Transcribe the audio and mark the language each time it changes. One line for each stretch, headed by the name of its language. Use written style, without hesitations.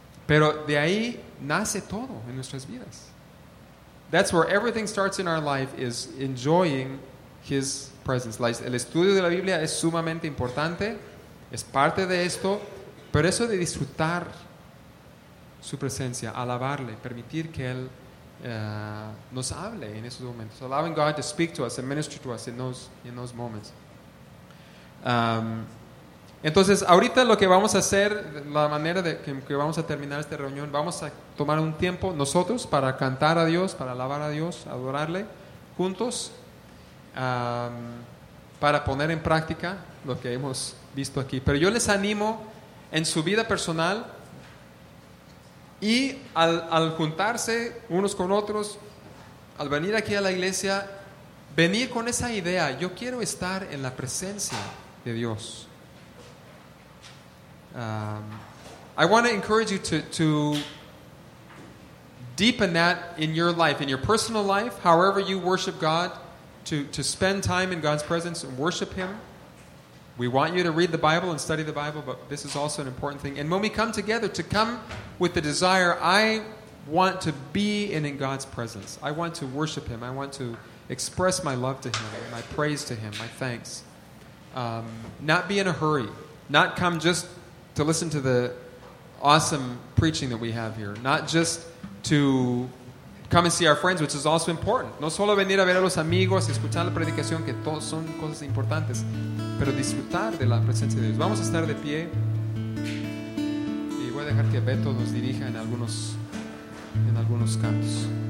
Spanish: Pero de ahí nace todo en nuestras vidas.
English: That's where everything starts in our life, is enjoying his presence.
Spanish: Like, el estudio de la Biblia es sumamente importante. Es parte de esto. Pero eso de disfrutar su presencia, alabarle, permitir que él nos hable en esos momentos.
English: Allowing God to speak to us and minister to us in those moments.
Spanish: Entonces, ahorita lo que vamos a hacer, la manera de que vamos a terminar esta reunión, vamos a tomar un tiempo nosotros para cantar a Dios, para alabar a Dios, adorarle juntos, para poner en práctica lo que hemos visto aquí. Pero yo les animo en su vida personal y al juntarse unos con otros, al venir aquí a la iglesia, venir con esa idea: yo quiero estar en la presencia de Dios.
English: I want to encourage you to deepen that in your life, in your personal life, however you worship God, to spend time in God's presence and worship Him. We want you to read the Bible and study the Bible, but this is also an important thing. And when we come together, to come with the desire, I want to be in God's presence. I want to worship Him. I want to express my love to Him, my praise to Him, my thanks. Not be in a hurry. Not come just to listen to the awesome preaching that we have here. Not just to come and see our friends, which is also important.
Spanish: No solo venir a ver a los amigos, escuchar la predicación, que todos son cosas importantes, pero disfrutar de la presencia de Dios. Vamos a estar de pie. Y voy a dejar que Beto nos dirija en algunos cantos.